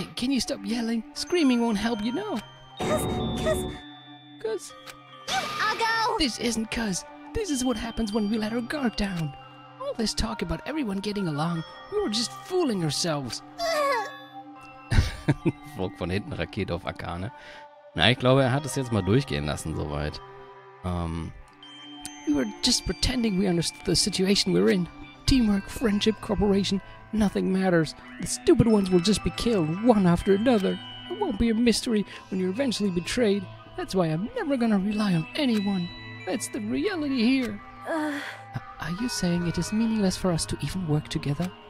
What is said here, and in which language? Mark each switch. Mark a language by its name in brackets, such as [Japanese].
[English] Can you stop yelling? Screaming won't help, you know. Cuz... You uggo! This isn't cuz. This is what happens when we let our guard down. All this talk about everyone getting along, we were just fooling ourselves. [German] Flog von hinten Rakete auf Akane. Na, ich glaube, er hat es jetzt mal durchgehen lassen, soweit. [English] We were just pretending we understood the situation we're in. Teamwork, friendship, cooperation, nothing matters. The stupid ones will just be killed, one after another. It won't be a mystery when you're eventually betrayed. That's why I'm never gonna rely on anyone. That's the reality here. Are you saying it is meaningless for us to even work together?